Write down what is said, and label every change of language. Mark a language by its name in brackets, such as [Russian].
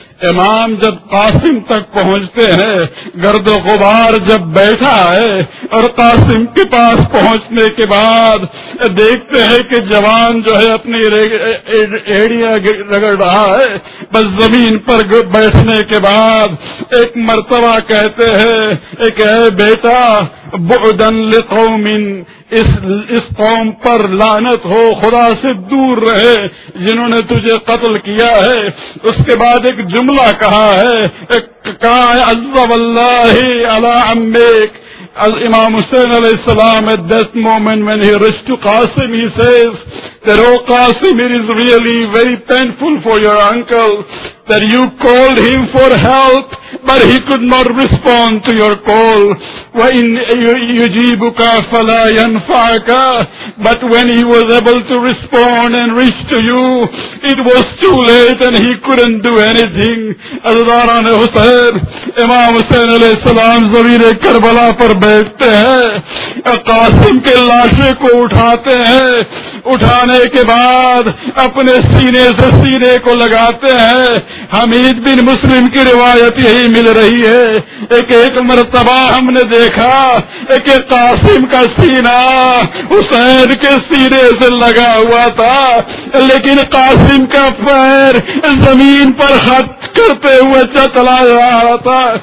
[Urdu] امام جب قاسم تک پہنچتے ہیں, گرد و غبار جب بیٹھا ہے اور قاسم کے پاس پہنچنے کے بعد دیکھتے ہیں کہ جوان جو ہے اپنی ایڑیاں رگڑ رہا ہے, بس زمین پر بیٹھنے کے بعد ایک مرتبہ کہتے ہیں کہ اے بیٹا, [Arabic] بعدا لقوم [Urdu] اس قوم پر لعنت ہو خدا سے دور رہے جنہوں نے تجھے قتل کیا ہے. اس کے بعد ایک جملہ کہا ہے [Arabic] عز واللہ علی عمیک. [English] Imam Hussain alayhi salam at that moment when he reached to Qasim, he says that, "Oh Qasim, it is really very painful for your uncle that you called him for help, but he could not respond to your call. [Arabic] وَإِنْ يُجِيبُكَ فَلَا يَنْفَعَكَ. [English] But when he was able to respond and reach to you, it was too late and he couldn't do anything." [Urdu] Azadaran Hussain, Imam Hussain alayhi salam, Zameen Karbala par بیٹھتے ہیں, قاسم کے لاشے کو اٹھاتے ہیں, اٹھانے کے بعد اپنے سینے سے سینے کو لگاتے ہیں. حمید بن مسلم کی روایت یہی مل رہی ہے, ایک ایک مرتبہ ہم نے دیکھا کہ قاسم کا سینہ حسین کے سینے سے لگا ہوا تھا, لیکن قاسم کا پیر زمین پر ہٹ کرتے ہوئے چتلا رہا تھا.